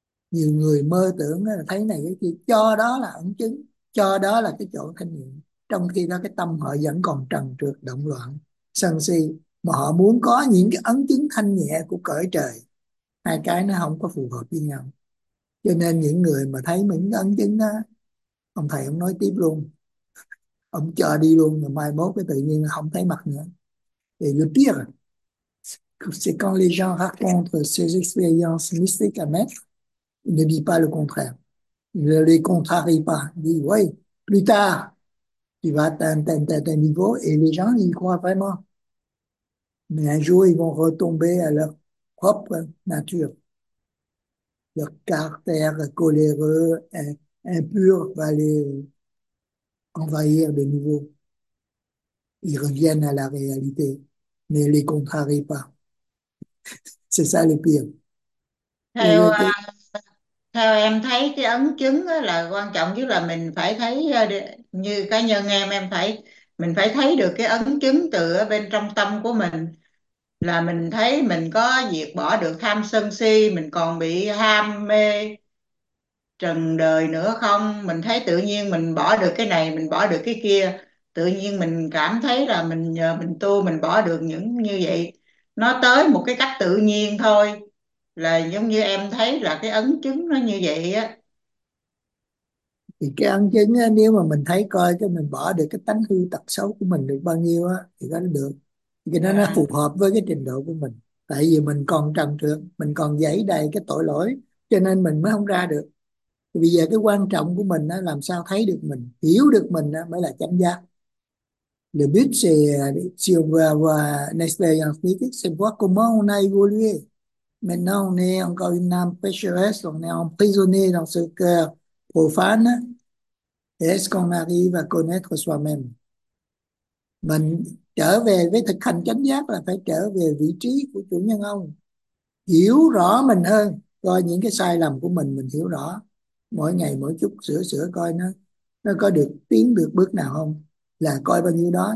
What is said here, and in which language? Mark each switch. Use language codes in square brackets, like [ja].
[vi] Nhiều người mơ tưởng là thấy này cái kia, cho đó là ẩn chứng, cho đó là cái chỗ thanh nhẹ, trong khi đó cái tâm họ vẫn còn trần trượt động loạn sân si, mà họ muốn có những cái ấn chứng thanh nhẹ của cõi trời. Hai cái nó không có phù hợp với nhau, cho nên những người mà thấy mình ấn chứng đó, ông thầy ông nói tiếp luôn, ông chờ đi luôn, rồi mai mốt cái tự nhiên không thấy mặt nữa thì lúc tiếc. [fr] C'est quand les gens racontent ces expériences mystiques à maître, ils ne disent pas le contraire. Ils ne les contrarient pas. Ils disent, oui, plus tard, tu vas atteindre un niveau, et les gens y croient vraiment. Mais un jour, ils vont retomber à leur propre nature. Leur caractère coléreux, impur va les envahir de nouveau. Ils reviennent à la réalité, mais ne les contrarient pas. C'est ça le pire. [vi] Theo theo em thấy cái ấn chứng đó là quan trọng, chứ là mình phải thấy, như cá nhân em phải mình phải thấy được cái ấn chứng từ bên trong tâm của mình, là mình thấy mình có diệt bỏ được tham sân si, mình còn bị ham mê trần đời nữa không, mình thấy tự nhiên mình bỏ được cái này, mình bỏ được cái kia, tự nhiên mình cảm thấy là mình nhờ mình tu mình bỏ được những như vậy, nó tới một cái cách tự nhiên thôi, là giống như em thấy là cái ấn chứng nó như vậy á. Thì cái ấn chứng á, nếu mà mình thấy coi cho mình bỏ được cái tánh hư tật xấu của mình được bao nhiêu á thì đó được, thì nó phù hợp với cái trình độ của mình, tại vì mình còn trần trượt, mình còn dẫy đầy cái tội lỗi cho nên mình mới không ra được. Thì bây giờ cái quan trọng của mình á, làm sao thấy được mình, hiểu được mình á, mới là chánh giác. [fr] Le but c'est d'avoir une expérience mystique, c'est voir comment on a évolué. Maintenant, on est encore une âme pécheresse, on est emprisonné dans ce cœur profane, est-ce qu'on arrive à connaître soi-même? [vi] Mình trở về với thực hành chánh giác là phải trở về vị trí của chủ nhân ông, hiểu rõ mình hơn, coi những cái sai lầm của mình hiểu rõ, mỗi ngày mỗi chút sửa sửa coi nó có được tiến được bước nào không, là coi bao nhiêu đó.